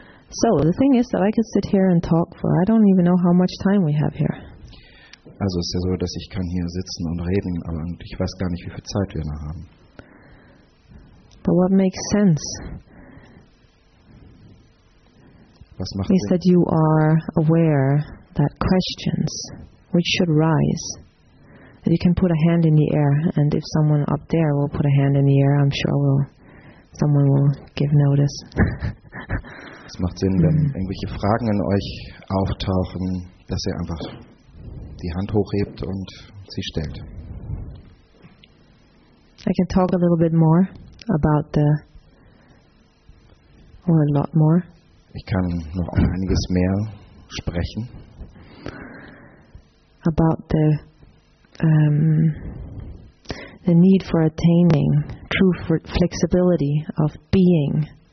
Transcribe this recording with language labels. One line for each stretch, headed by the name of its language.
English: So, the thing is that I could sit here and talk for I don't even know how much time we have here.
German: Also es ist ja so, dass ich kann hier sitzen und reden, aber ich weiß gar nicht, wie viel Zeit wir noch haben.
English: But what makes sense?
German: Was macht Sinn?
English: Is that you are aware that questions which should rise. You can put a hand in the air, and if someone up there will put a hand in the air, I'm sure someone will give notice.
German: Es macht Sinn, wenn irgendwelche Fragen in euch auftauchen, dass ihr einfach die Hand hochhebt und sie stellt.
English: I can talk a little bit more about the, or a lot more.
German: Ich kann noch einiges mehr sprechen.
English: About the need for attaining true flexibility of being.